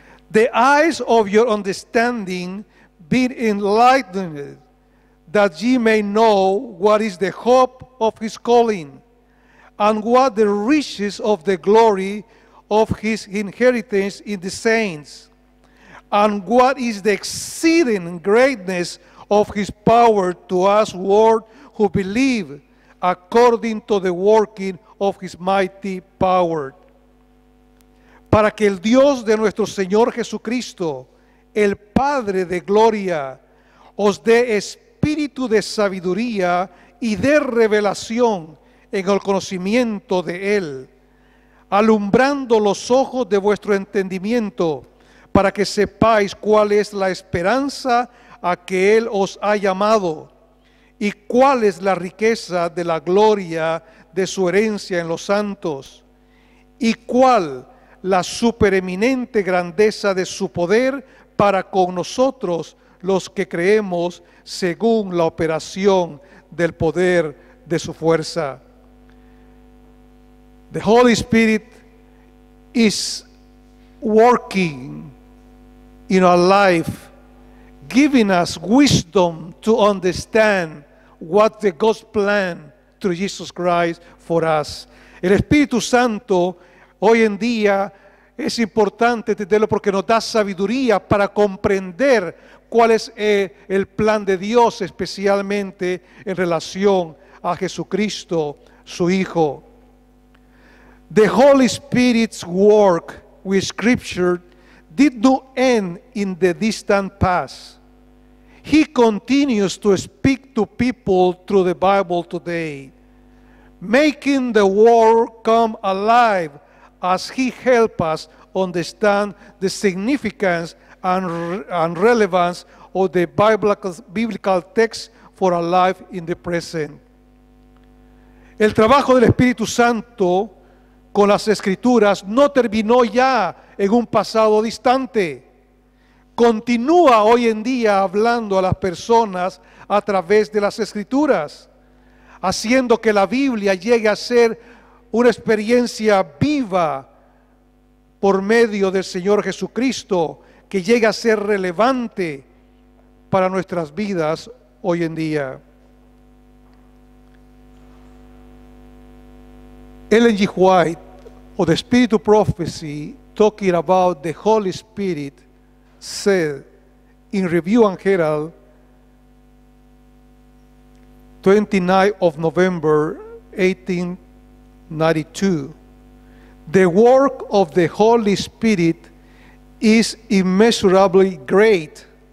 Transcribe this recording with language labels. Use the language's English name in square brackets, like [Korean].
[English] the eyes of your understanding being enlightened, that ye may know what is the hope of His calling, and what the riches of the glory of His inheritance in the saints, and what is the exceeding greatness of His power to us who believe, according to the working of His mighty power. [Spanish] Para que el Dios de nuestro Señor Jesucristo, el Padre de gloria, os dé espíritu de sabiduría y de revelación en el conocimiento de Él, alumbrando los ojos de vuestro entendimiento, para que sepáis cuál es la esperanza a que Él os ha llamado, y cuál es la riqueza de la gloria de su herencia en los santos, y cuál la supereminente grandeza de su poder para con nosotros los que creemos según la operación del poder de su fuerza. [English] The Holy Spirit is working in our life, giving us wisdom to understand what the God's plan through Jesus Christ for us. [Spanish] El Espíritu Santo hoy en día es importante entenderlo porque nos da sabiduría para comprender cuál es el plan de Dios, especialmente en relación a Jesucristo, su Hijo. [English] The Holy Spirit's work with Scripture did not end in the distant past. He continues to speak to people through the Bible today, making the world come alive as He helps us understand the significance and relevance of the biblical text for our life in the present. [Spanish] El trabajo del Espíritu Santo con las Escrituras no terminó ya en un pasado distante. Continúa hoy en día hablando a las personas a través de las Escrituras, haciendo que la Biblia llegue a ser una experiencia viva por medio del Señor Jesucristo, que llegue a ser relevante para nuestras vidas hoy en día. [English] Ellen G. White, or the Spirit of Prophecy, talking about the Holy Spirit, said in Review and Herald, 29 of November, 1892, the work of the Holy Spirit is immeasurably great.